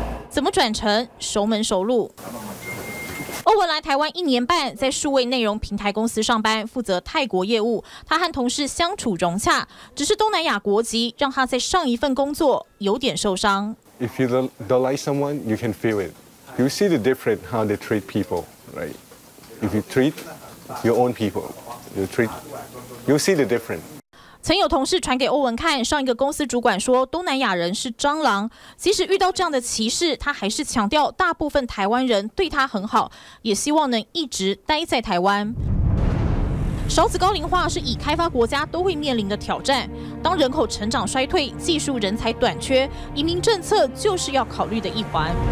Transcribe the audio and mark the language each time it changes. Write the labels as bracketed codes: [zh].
[zh] 怎么转成熟门熟路？欧文来台湾1年半，在数位内容平台公司上班，负责泰国业务。他和同事相处融洽，只是东南亚国籍让他在上一份工作有点受伤。 [en] If you don't like someone, you can feel it. You see the difference how they treat people, right? If you treat your own people, you see the difference. [zh] 曾有同事传给欧文看，上一个公司主管说东南亚人是蟑螂。即使遇到这样的歧视，他还是强调大部分台湾人对他很好，也希望能一直待在台湾。少子高龄化是已开发国家都会面临的挑战，当人口成长衰退，技术人才短缺，移民政策就是要考虑的一环。